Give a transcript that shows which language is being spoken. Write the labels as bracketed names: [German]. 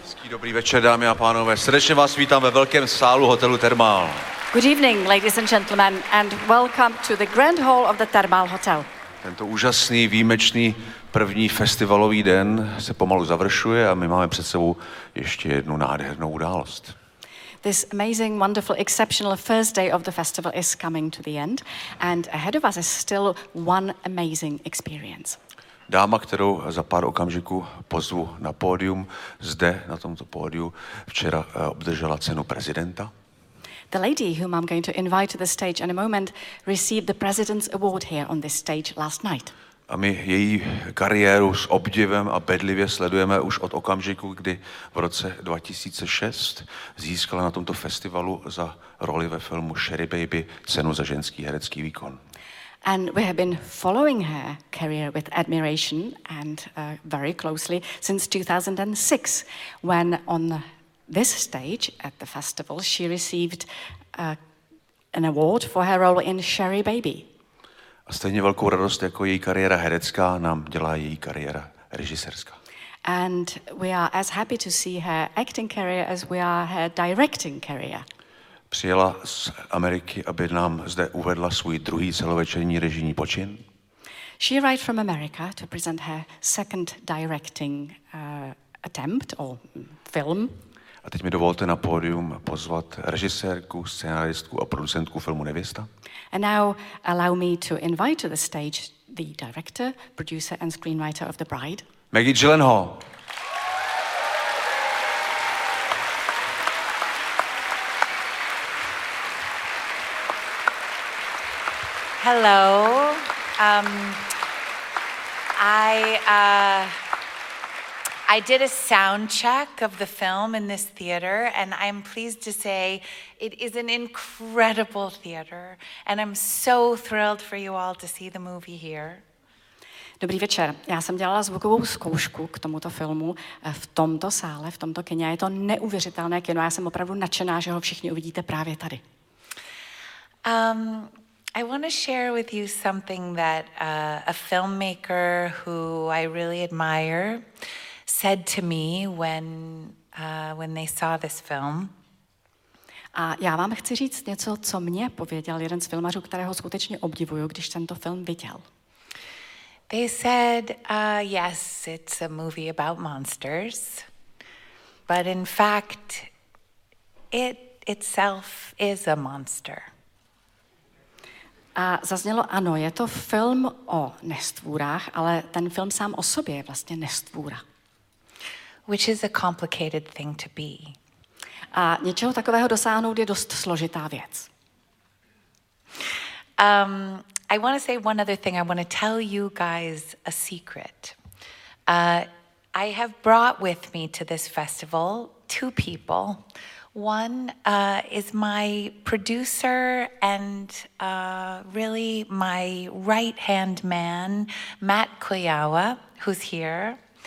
[Czech] Dobrý večer, dámy a pánové. Srdečně vás vítám ve velkém sálu hotelu Thermal. [English] Good evening, ladies and gentlemen, and welcome to the grand hall of the Thermal Hotel. [Czech] Tento úžasný, výjimečný první festivalový den se pomalu završuje a my máme před sebou ještě jednu nádhernou událost. [English] This amazing, wonderful, exceptional first day of the festival is coming to the end, and ahead of us is still one amazing experience. [Czech] Dáma, kterou za pár okamžiků pozvu na pódium, zde na tomto pódiu včera obdržela cenu prezidenta. [English] The lady whom I'm going to invite to the stage in a moment received the president's award here on this stage last night. [Czech] A my její kariéru s obdivem a bedlivě sledujeme už od okamžiku, kdy v roce 2006 získala na tomto festivalu za roli ve filmu Sherry Baby cenu za ženský herecký výkon. [English] And we have been following her career with admiration and very closely since 2006, when on this stage at the festival she received an award for her role in Sherry Baby. [Czech] A stejně velkou radost jako její kariéra herecká nám dělá její kariéra režisérská. [English] And we are as happy to see her acting career as we are her directing career. [Czech] Přijela z Ameriky, aby nám zde uvedla svůj druhý celovečerní režijní počin. [English] She arrived from America to present her second directing attempt or film. [Czech] A teď mi dovolte na pódium pozvat režisérku, scénaristku a producentku filmu Nevěsta. [English] And now allow me to invite to the stage the director, producer and screenwriter of The Bride. Maggie Gyllenhaal. Hello. I did a sound check of the film in this theater, and I'm pleased to say it is an incredible theater, and I'm so thrilled for you all to see the movie here. [Czech] Dobrý večer. Já jsem dělala zvukovou zkoušku k tomuto filmu v tomto sále, v tomto kině. Je to neuvěřitelné kino. Já jsem opravdu nadšená, že ho všichni uvidíte právě tady. [English] I want to share with you something that a filmmaker who I really admire said to me when they saw this film. [Czech] A já vám chci říct něco, co mě pověděl jeden z filmařů, kterého skutečně obdivuju, když tento film viděl. [English] They said, yes, it's a movie about monsters, but in fact, it itself is a monster. [Czech] A zaznělo, ano, je to film o nestvůrách, ale ten film sám o sobě je vlastně nestvůra. [English] Which is a complicated thing to be. [Czech] A něčeho takového dosáhnout je dost složitá věc. [English] I want to say one other thing. I want to tell you guys a secret. I have brought with me to this festival two people. One is my producer and really my right-hand man, Matt Kuyawa, who's here.